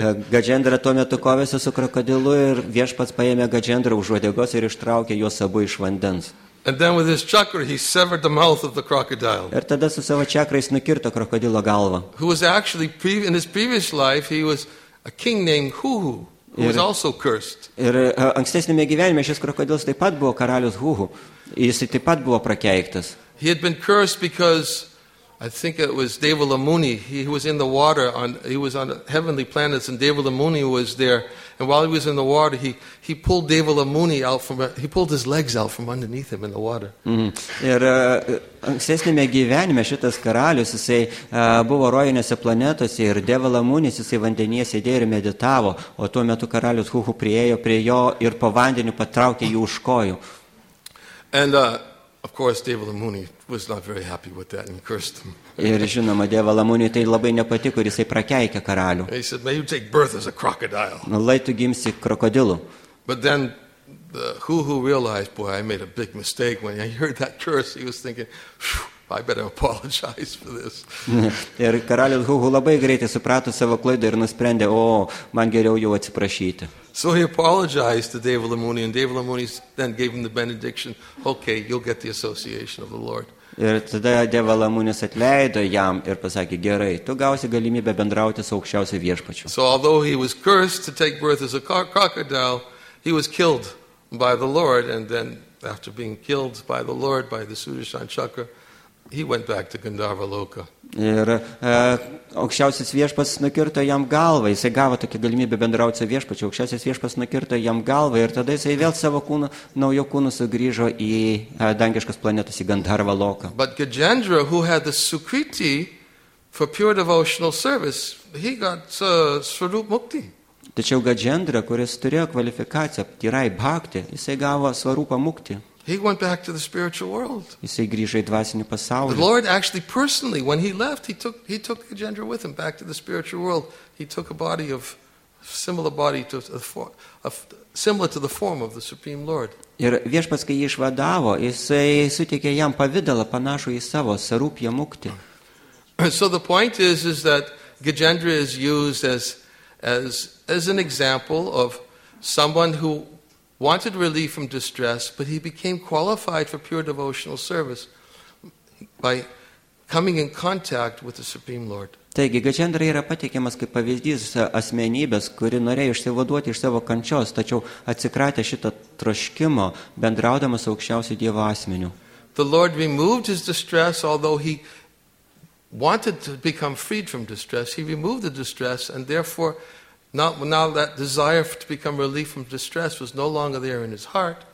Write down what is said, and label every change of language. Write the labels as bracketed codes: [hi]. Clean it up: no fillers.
[lt] Gajendra tuo metu kovėsi su krokodilu ir viešpats paėmė Gajendra už uodegos ir ištraukė juos abu iš vandens. [en] And then with his chakra he severed the mouth of the crocodile. [lt] Ir tada su savo čakra jis nukirto krokodilo galvą. [en] Who was actually in his previous life he was a king named Huhu, who was also cursed. [lt] Ir ankstesnėme gyvenime šis krokodilas taip pat buvo karalius Huhu. Jis taip pat buvo prakeiktas. [en] He had been cursed because I think it was Devala Muni. He was in the water he was on heavenly planets and Devala Muni was there, and while he was in the water he pulled Devala Muni out from he pulled his legs out from underneath him in the water. [lt] Ir ankstesnėme gyvenime šitas karalius jisai buvo rojinėse planetose ir Devala Muni jisai vandenyje sėdėjo ir meditavo, o tuo metu karalius Huhu priėjo prie jo ir po vandeniu patraukė jį už kojų. [en] And of course Devala Muni was not very happy with that and cursed him. [lt] Ir žinoma, Devala Muni tai labai nepatiko ir jisai prakeikė karalių. [en] He said, may you take birth as a crocodile. [lt] Lai tu gimsi krokodilu. [en] But then the Huhu realized, boy, I made a big mistake. When he heard that curse, he was thinking, I better apologize for this. [lt] Ir karalius Gugu labai greitai suprato savo klaidą ir nusprendė, o man geriau jau atsiprašyti. [en] So he apologized to Devala Muni, and Devala Muni then gave him the benediction. Okay, you'll get the association of the Lord. [lt] Ir tada Devala Munis atleido jam ir pasakė, gerai, tu gausi galimybę bendrauti su aukščiausiu viešpačiu. [en] So although he was cursed to take birth as a crocodile, he was killed by the Lord, and then after being killed by the Lord, by the Sudarshan Chakra, he went back to Gandharva Loka. [lt] Ir aukščiausias viešpas nukirto jam galvą, jisai gavo tokią galimybę bendrauti su viešpačiu, aukščiausias viešpas nukirto jam galvą ir tada jisai vėl savo kūnu, naujo kūnu sugrįžo į dangiškas planetas, į Gandharva Loką. [en] But Gajendra, who had the Sukriti for pure devotional service, he got Swarup Mukti. [lt] Tačiau Gajendra, kuris turėjo kvalifikaciją tyrai bhakti, jisai gavo Swarupa Mukti. [en] He went back to the spiritual world. [lt] Jisai grįžo į dvasinį pasaulį. [en] The Lord actually personally, when he left, he took Gajendra with him back to the spiritual world. He took a body of similar body to similar to the form of the Supreme Lord. [lt] Ir viešpats, kai jį išvadavo, jisai suteikė jam pavidalą panašų į savo Sarupya Mukti. [en] So the point is that Gajendra is used as an example of someone who wanted relief from distress, but he became qualified for pure devotional service by coming in contact with the Supreme Lord. [lt] Taigi, Gajendra yra pateikiamas kaip pavyzdys asmenybės, kuri norėjo išsivaduoti iš savo kančios, tačiau atsikratė šito troškimo, bendraudamas su aukščiausiu Dievo asmeniu. [en] The Lord removed his distress, although he wanted to become freed from distress. He removed the distress, and therefore now that desire to become relief from distress was no longer there in his heart.